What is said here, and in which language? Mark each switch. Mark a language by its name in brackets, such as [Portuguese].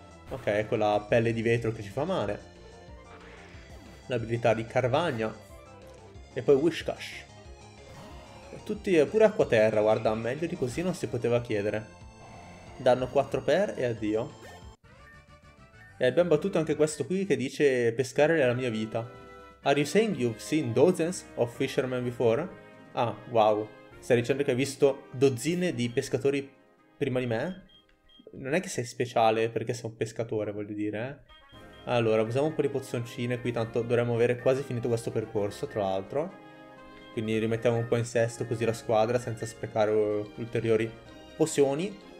[Italian] Ok, ecco la pelle di vetro che ci fa male. L'abilità di Carvagna. E poi Whiskash. Tutti, pure acqua terra, guarda, meglio di così non si poteva chiedere. Danno 4 per e addio. E abbiamo battuto anche questo qui che dice pescare è la mia vita. [English] Are you saying you've seen dozens of fishermen before? Ah, wow. [Italian] Stai dicendo che hai visto dozzine di pescatori prima di me? Non è che sei speciale perché sei un pescatore, voglio dire, eh? Allora, usiamo un po' di pozioncine qui, tanto dovremmo avere quasi finito questo percorso, tra l'altro. Quindi rimettiamo un po' in sesto così la squadra, senza sprecare ulteriori pozioni.